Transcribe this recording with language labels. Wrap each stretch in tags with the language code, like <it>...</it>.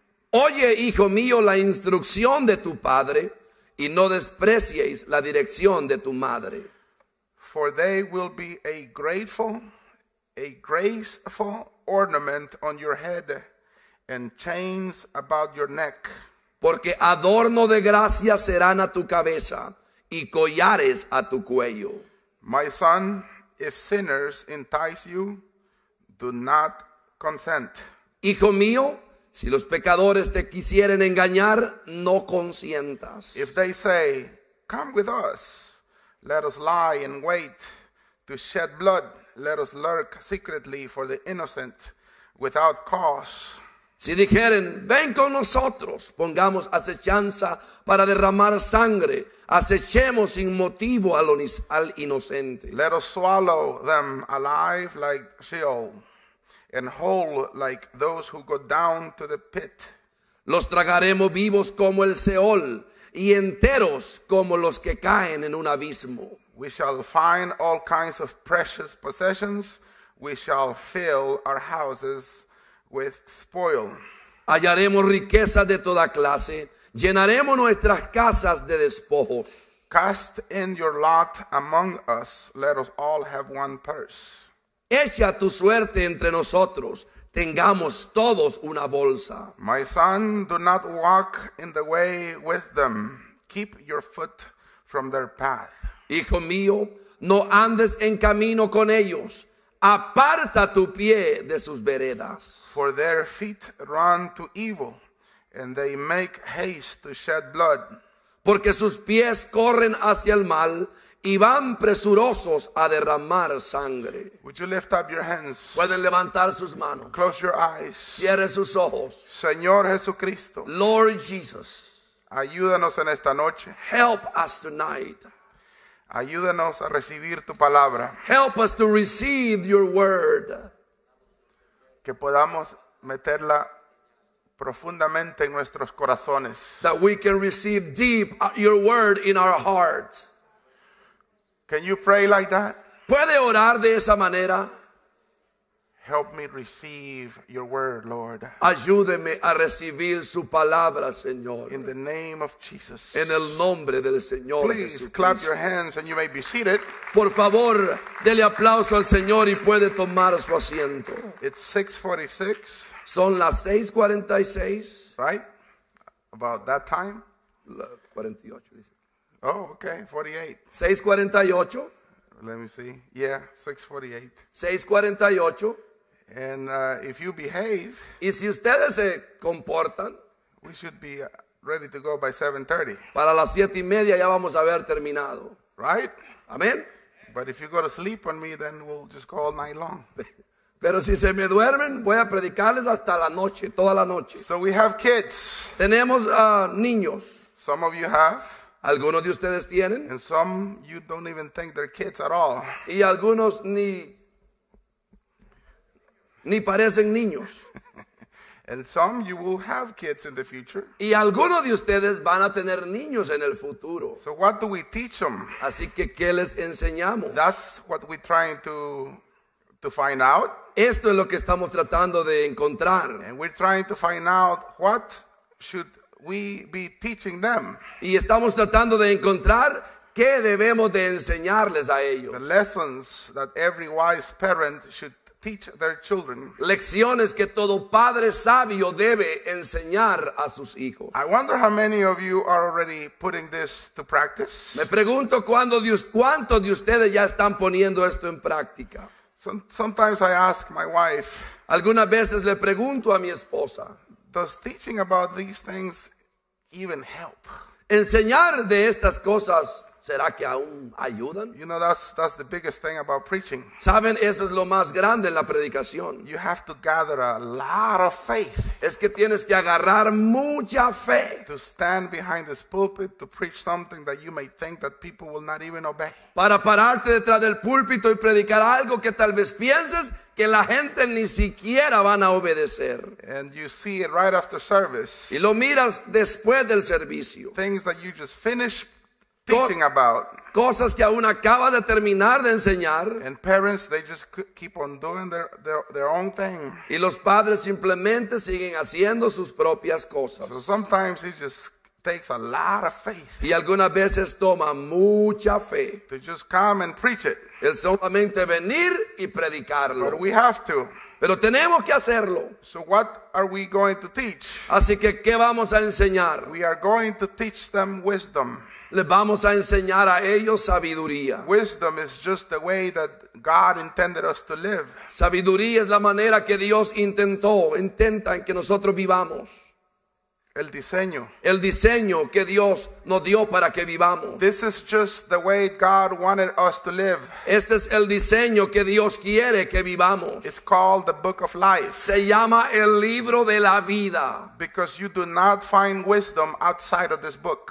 <es>Oye, hijo mío, la instrucción de tu padre y no desprecies la dirección de tu madre.</es> <en>For they will be a graceful ornament on your head and chains about your neck.</en> <es>Porque adorno de gracia serán a tu cabeza y collares a tu cuello.</es> <en>My son, if sinners entice you, do not consent.</en> <es>Hijo mío, si los pecadores te quisieren engañar, no consientas.</es> <en>If they say, come with us, let us lie in wait to shed blood, let us lurk secretly for the innocent without cause.</en> <es>Si dijeren, ven con nosotros, pongamos acechanza para derramar sangre, acechemos sin motivo al inocente.</es> <en>Let us swallow them alive like Sheol, and whole like those who go down to the pit.</en> <es>Los tragaremos vivos como el Seol, y enteros como los que caen en un abismo.</es> <en>We shall find all kinds of precious possessions, we shall fill our houses with spoil.</en> <es>Hallaremos riquezas de toda clase, llenaremos nuestras casas de despojos.</es> <en>Cast in your lot among us, let us all have one purse.</en> <es>Echa tu suerte entre nosotros, tengamos todos una bolsa.</es> <en>My son, do not walk in the way with them. keep your foot from their path.</en> <es>Hijo mío, no andes en camino con ellos. Aparta tu pie de sus veredas.</es> <en>For their feet run to evil, and they make haste to shed blood.</en> <es>Porque sus pies corren hacia el mal, y van presurosos a derramar sangre.</es> <en>Would you lift up your hands?</en> <es>Pueden levantar sus manos.</es> <en>Close your eyes.</en> <es>Cierre sus ojos. Señor Jesucristo.</es> <en>Lord Jesus.</en> <es>Ayúdanos en esta noche.</es> <en>Help us tonight.</en> <es>Ayúdanos a recibir tu palabra.</es> <en>Help us to receive your word.</en> <es>Que podamos meterla profundamente en nuestros corazones.</es> <en>That we can receive deep your word in our hearts. Can you pray like that?</en> <es>¿Puede orar de esa manera?</es> <en>Help me receive your word, Lord.</en> <es>Ayúdeme a recibir su palabra, Señor.</es> <en>In the name of Jesus.</en> <es>En el nombre del Señor Jesucristo.</es> <en>Please clap your hands and you may be seated.</en> <es>Por favor, dele aplauso al Señor y puede tomar su asiento.</es> <en>It's 6:46.</en> <es>Son las 6:46.</es> <en>Right? About that time? 48. Oh, okay, 48. 6:48. Let me see. Yeah, 6:48. 6:48. And if you behave,</en> <es>y si ustedes se comportan,</es> <en>we should be ready to go by 7:30.</en> <es>Para las 7:30 ya vamos a haber terminado.</es> <en>Right? Amen. But if you go to sleep on me, then we'll just go all night long.</en> <es>Pero si se me duermen, voy a predicarles hasta la noche, toda la noche.</es> <en>So we have kids.</en> <es>Tenemos niños.</es> <en>Some of you have.</en> <es>Algunos de ustedes tienen.</es> <en>And some you don't even think they're kids at all.</en> <es>Y algunos ni parecen niños.</es> <en>And some you will have kids in the future.</en> <es>Y algunos de ustedes van a tener niños en el futuro.</es> <en>So what do we teach them?</en> <es>Así que ¿qué les enseñamos?</es> <en>That's what we're trying to find out.</en> <es>Esto es lo que estamos tratando de encontrar.</es> <en>And we're trying to find out what should we be teaching them.</en> <es>Y estamos tratando de encontrar qué debemos de enseñarles a ellos.</es> <en>The lessons that every wise parent should teach their children.</en> <es>Lecciones que todo padre sabio debe enseñar a sus hijos.</es> <en>I wonder how many of you are already putting this to practice.</en> <es>Me pregunto cuántos de ustedes ya están poniendo esto en práctica.</es> <en>Sometimes I ask my wife.</en> <es>Algunas veces le pregunto a mi esposa.</es> <en>Does teaching about these things even help?</en> <es>Enseñar de estas cosas, ¿será que aún ayudan?</es> <en>You know, that's the biggest thing about preaching.</en> <es>¿Saben? Eso es lo más grande en la predicación.</es> <en>You have to gather a lot of faith.</en> <es>Es que tienes que agarrar mucha fe.</es> <en>To stand behind this pulpit to preach something that you may think that people will not even obey.</en> <es>Para pararte detrás del púlpito y predicar algo que tal vez pienses que la gente ni siquiera van a obedecer.</es> <en>And you see it right after service.</en> <es>Y lo miras después del servicio.</es> <en>Things that you just finished teaching about.</en> <es>Cosas que aún acaba de terminar de enseñar.</es> <en>And parents, they just keep on doing their own thing.</en> <es>Y los padres simplemente siguen haciendo sus propias cosas.</es> <en>So sometimes it just takes a lot of faith.</en> <es>Y algunas veces toma mucha fe.</es> <en>To just come and preach it.</en> <es>El solamente venir y predicarlo.</es> <en>But we have to.</en> <es>Pero tenemos que hacerlo.</es> <en>So what are we going to teach?</en> <es>Así que ¿qué vamos a enseñar?</es> <en>We are going to teach them wisdom.</en> <es>Les vamos a enseñar a ellos sabiduría.</es> <en>Wisdom is just the way that God intended us to live.</en> <es>Sabiduría es la manera que Dios intenta en que nosotros vivamos. El diseño que Dios nos dio para que vivamos.</es> <en>This is just the way God wanted us to live.</en> <es>Este es el diseño que Dios quiere que vivamos.</es> <en>It's called the book of life.</en> <es>Se llama el libro de la vida.</es> <en>Because you do not find wisdom outside of this book.</en>